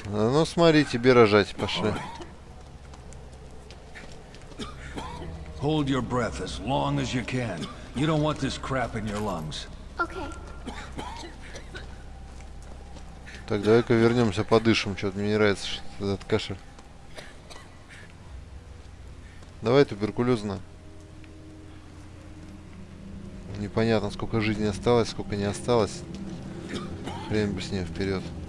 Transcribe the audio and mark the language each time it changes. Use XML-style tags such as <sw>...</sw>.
<ru>А, ну смотри, тебе рожать пошли.</ru> <en>Hold your breath as long as you can. You don't want this crap in your lungs. Okay.</en> <ru>Так, давай-ка вернемся, подышим. Что-то мне не нравится, что этот кашель. Давай туберкулезно. Непонятно, сколько жизни осталось, сколько не осталось. Хрен бы с ней вперед.</ru>